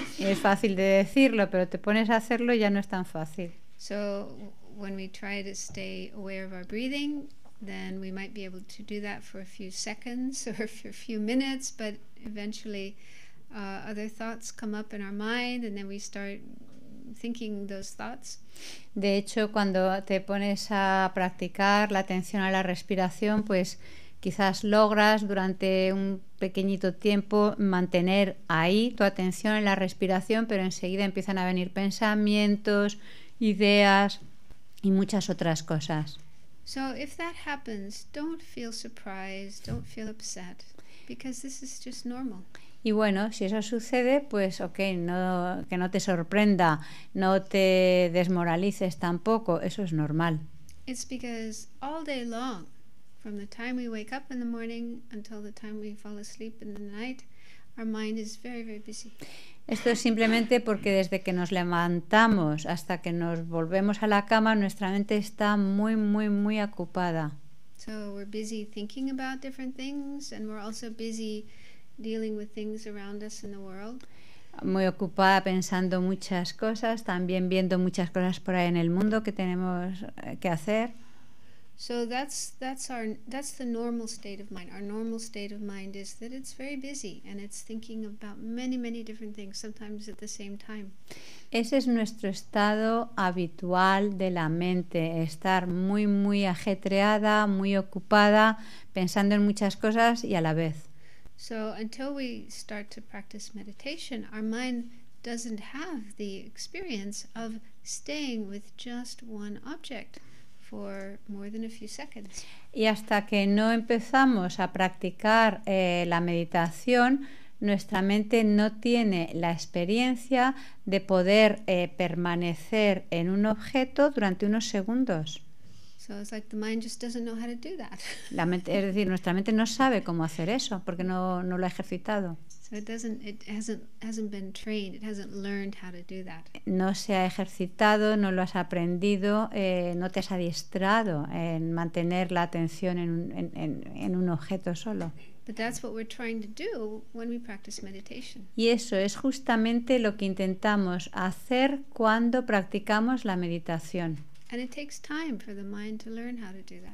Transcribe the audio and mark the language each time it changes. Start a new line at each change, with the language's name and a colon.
Spanish: Es fácil de decirlo, pero te pones a hacerlo y ya no es tan fácil.
English: So, when we try to stay aware of our breathing, then we might be able to do that for a few seconds or for a few minutes, but eventually other thoughts come up in our mind and then we start thinking those thoughts.
Spanish: De hecho, cuando te pones a practicar la atención a la respiración, pues quizás logras durante un pequeñito tiempo mantener ahí tu atención en la respiración, pero enseguida empiezan a venir pensamientos, ideas y muchas otras cosas.
English: So if that happens, don't feel surprised, don't feel upset, because this is just normal.
Spanish: Y bueno, si eso sucede, pues okay, no, que no te sorprenda, no te desmoralices tampoco, eso es normal.
English: It's because all day long, from the time we wake up in the morning until the time we fall asleep in the night, our mind is very, very busy.
Spanish: Esto es simplemente porque desde que nos levantamos hasta que nos volvemos a la cama, nuestra mente está muy, muy, muy ocupada.
English: So we're busy thinking about different things and we're also busy dealing with things around us in the world.
Spanish: Muy ocupada pensando muchas cosas, también viendo muchas cosas por ahí en el mundo que tenemos que hacer.
English: So that's the normal state of mind. Our normal state of mind is that it's very busy and it's thinking about many, many different things, sometimes at the same time.
Spanish: Ese es nuestro estado habitual de la mente, estar muy, muy ajetreada, muy ocupada, pensando en muchas cosas y a la vez.
English: So until we start to practice meditation, our mind doesn't have the experience of staying with just one object for more than a few seconds.
Spanish: Y hasta que no empezamos a practicar la meditación, nuestra mente no tiene la experiencia de poder permanecer en un objeto durante unos segundos.
English: So it's like the mind just doesn't know how to do that.
Spanish: La mente, es decir, nuestra mente no sabe cómo hacer eso porque no lo ha ejercitado.
English: So it hasn't been trained, it hasn't learned how to do that.
Spanish: No se ha ejercitado, no lo has aprendido, no te has adiestrado en mantener la atención en un objeto solo.
English: But that's what we're trying to do when we practice meditation.
Spanish: Y eso es justamente lo que intentamos hacer cuando practicamos la meditación.
English: And it takes time for the mind to learn how to do that.